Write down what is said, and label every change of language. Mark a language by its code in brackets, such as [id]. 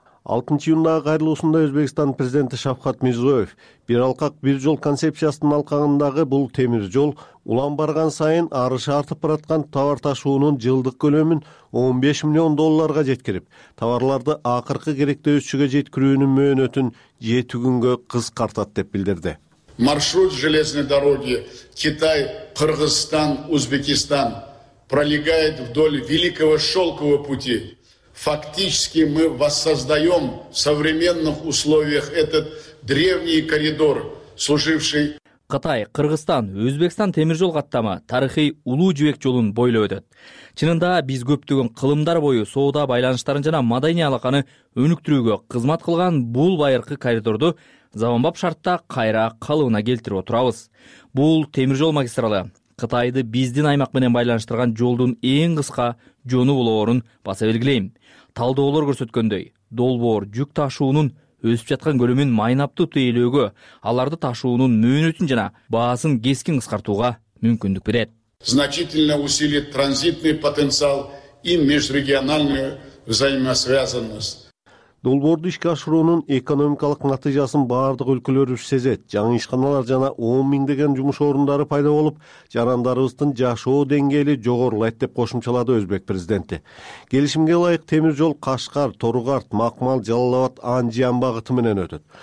[ky] 6-июндагы кайрылуусунда Өзбекстан президенти Шавкат Мирзиёев бир алкак бир жол концепциясынын алкагындагы бул темир жол улам барган сайын арышы артып бараткан товар ташуунун жылдык көлөмүн 15 миллион долларга жеткирип, товарларды акыркы керектөөчүгө жеткирүүнүн мөөнөтүн 7 күнгө кыскартат деп билдирди. [ru] Маршрут железной дороги Китай, Кыргызстан, Узбекистан пролегает вдоль Великого Шелкового пути. Фактически мы воссоздаем в современных условиях этот древний коридор, служивший... [ky] Кытай, Кыргызстан, Өзбекстан темир жол каттамы тарыхый улуу жибек жолун бойлоп өтөт. Чынында биз көптөгөн кылымдар бою соода байланыштарын жана маданий алаканы өнүктүрүүгө кызмат кылган бул байыркы коридорду заманбап шартта кайра калыбына келтирип отурабыз. Бул темир жол магистралы Кытайды биздин аймак менен байланыштырган жолдун эң кыска жону болоорун баса белгилейм. Талдоолор көрсөткөндөй, долбоор жүк ташуунун өсүп жаткан көлөмүн майнаптуу тейлөөгө, аларды ташуунун мөөнөтүн жана баасын кескин кыскартууга мүмкүндүк берет. [ru] Значительно усилит транзитный потенциал и межрегиональную взаимосвязанность. [ky] Долбоорду ишке ашыруунун экономикалык натыйжасын баардык өлкөлөр сезет. Жаңы ишканалар жана 10,000 жумуш орундары пайда болуп, жарандарыбыздын жашоо деңгээли жогорулайт деп кошумчалады Өзбек президенти. Келишимге ылайык темир жол Кашкар, Торугарт, Макмал, Жалалабад, Анжиян багыты менен өтөт.